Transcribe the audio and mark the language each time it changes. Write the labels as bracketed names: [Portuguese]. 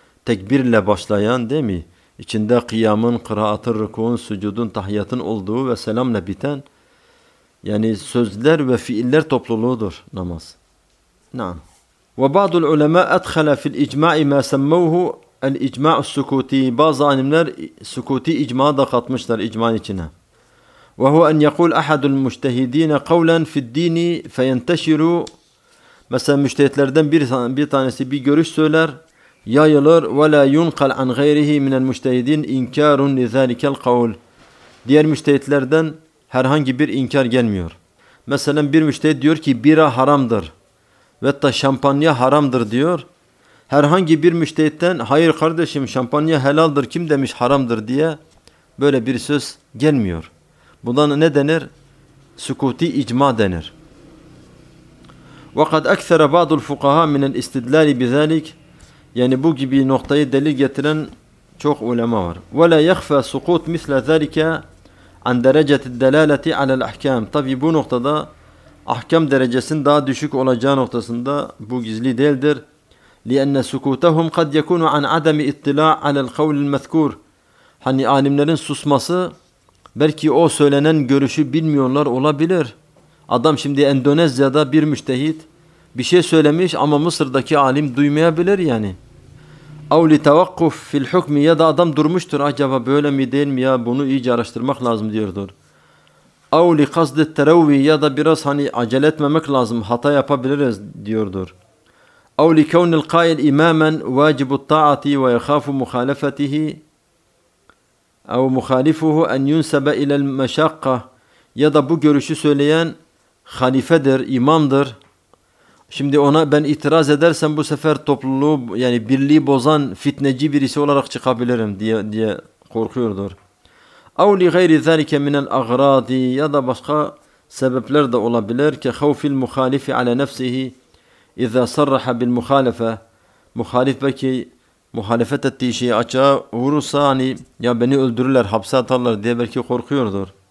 [Turkish] Tekbirle başlayan değil mi? İçinde kıyamın, kıraatın, rükûn, sücudun, tahiyyatın olduğu ve selamla biten yani sözler ve fiiller topluluğudur namaz. Naam. Ve bazı ulema [Arabic] edhala fil icma'i ma semmuhu el icma'u sukuti. [Turkish] Bazı alimler sukuti icma'a da katmışlar icma'nın içine. [Arabic] وهو أن يقول أحد المجتهدين قولا في الدين فينتشر مثلا مجتهدlerden [Turkish] bir tanesi bir görüş söyler yayılır [Arabic] ولا ينقل عن غيره من المجتهدين إنكار لذلك القول [Turkish] diğer müçtehitlerden herhangi bir inkar gelmiyor. Mesela bir müçtehit diyor ki bira haramdır ve hatta şampanya haramdır diyor. Herhangi bir müçtehitten hayır kardeşim şampanya helaldir kim demiş haramdır diye böyle bir söz gelmiyor. Buna ne denir? Sukuti icma denir. [Arabic] وقد أكثر بعض الفقهاء من الاستدلال بذلك [Turkish] yani bu gibi noktayı delil getiren çok ulema var. [Arabic] وَلَا يَخْفَى سُقُوط مِثْلَ ذَلِكَ عَنْ دَرَجَةِ الدَّلَالَةِ عَلَى الْأَحْكَامِ [Turkish] Tabi bu noktada ahkam derecesinin daha düşük olacağı noktasında bu gizli değildir. [Arabic] لِأَنَّ سُقُوطَهُمْ قَدْ يَكُونُ عَنْ عَدَمِ اِطِّلَاعَ عَلَى الْقَوْلِ الْمَذْكُورِ [Turkish] Hani alimlerin susması belki o söylenen görüşü bilmiyorlar olabilir. Adam şimdi Endonezya'da bir müçtehit bir şey söylemiş ama Mısır'daki alim duymayabilir yani. [Arabic] أو لتوقف في الحكم [Turkish] يا ده adam durmuştur acaba böyle mi değil mi ya bunu iyice araştırmak lazım diyordur. [Arabic] أو لقصد التروي [Turkish] يا ده biraz hani acele etmemek lazım hata yapabiliriz diyordur. [Arabic] أو لكون القائل إماما واجب الطاعة ويخاف مخالفته أو مخالفه أن ينسب إلى المشقة يا ده [Turkish] bu görüşü söyleyen halifedir imamdır. Şimdi ona ben itiraz edersem bu sefer topluluğu yani birliği bozan fitneci birisi olarak çıkabilirim diye korkuyordur. [Arabic] أو لغير ذلك من الأغراض [Turkish] ya da başka sebepler de olabilir ki [Arabic] خوف المخالف على نفسه إذا صرح بالمخالفة [Turkish] مخالف belki muhalefet ettiği şeyi açığa vurursa hani ya beni öldürürler hapse atarlar diye belki korkuyordur.